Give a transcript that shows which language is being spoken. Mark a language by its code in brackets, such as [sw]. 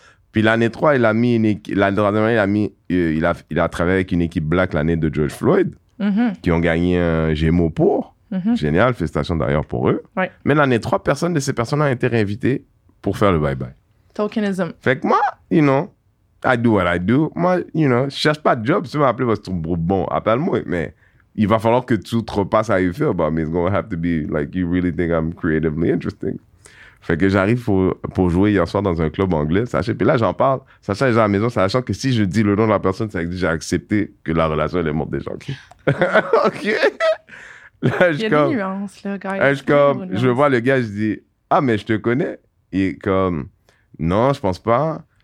[fr] Puis l'année 3, il a mis une équipe, l'année 3, il a travaillé avec une équipe black l'année de George Floyd, mm-hmm. qui ont gagné un Gémeaux pour. Mm-hmm. Génial, félicitations d'ailleurs pour eux. Ouais. Mais l'année 3, personne de ces personnes a été réinvité pour faire le bye-bye. [en] Tokenism. [fr] Fait que moi, [en] you know, I do what I do. [fr] Moi, [en] you know, [fr] je cherche pas de job. Si tu veux m'appeler, parce que bon, appelle-moi. Mais il va falloir que tu te repasses à [en] you feel about me. It's going to have to be like, you really think I'm creatively interesting. [fr] Fait que j'arrive pour jouer hier soir dans un club anglais. Sachez, puis là, j'en parle. Sachez, les gens à la maison, sachant que si je dis le nom de la personne, ça veut dire que j'ai accepté que la relation, elle est morte déjà. OK. OK. Là, il y a comme, des nuances, là, guys. Là, je vois le gars, je dis, ah, mais je te connais. Il est comme, non, je pense pas.